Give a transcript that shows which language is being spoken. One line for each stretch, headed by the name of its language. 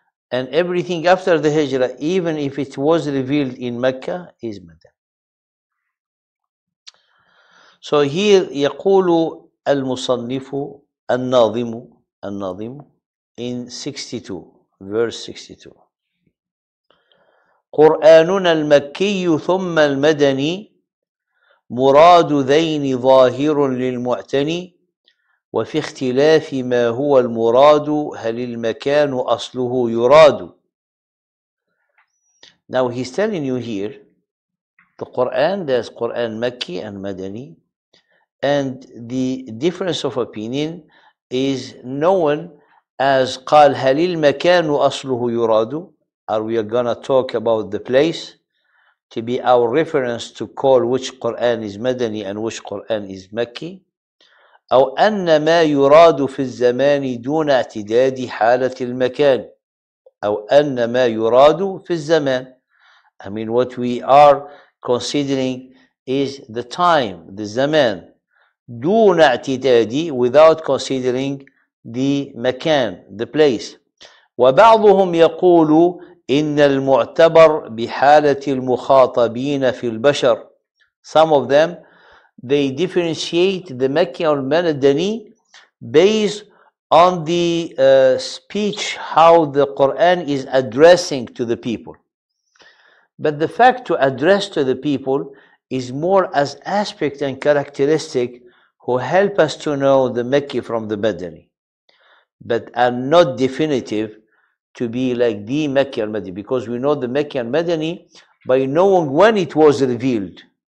English: And everything after the Hijrah, even if it was revealed in Mecca, is Madani. So here,
Arabic: يَقُولُ الْمُصَنِّفُ النَّاظِمُ النَّاظِمُ
English: in 62, verse 62.
Arabic: قرآننا المكي ثم المدني مراد ذين ظاهر للمعتني وفي اختلاف ما هو المراد هل المكان أصله يراد.
English: Now he's telling you here the Quran, there's Quran Makki and Madani, and the difference of opinion is known as
Arabic: قال هل المكان أصله يراد.
English: Are we gonna talk about the place to be our reference to call which Quran is Madani and which Quran is Makki?
Arabic: أو أن ما يراد في الزمان دون اعتداد حالة المكان. أو أن ما يراد في الزمان.
English: I mean, what we are considering is the time, the زمان,
Arabic: دون اعتداد,
English: without considering the مكان, the place.
Arabic: وبعضهم يقول إن المعتبر بحالة المخاطبين في البشر.
English: Some of them, they differentiate the Makki or Madani based on the speech, how the Quran is addressing to the people. But the fact to address to the people is more as aspect and characteristic who help us to know the Makki from the Madani, but are not definitive to be like the Makki and Madani, because we know the Makki and Madani by knowing when it was revealed.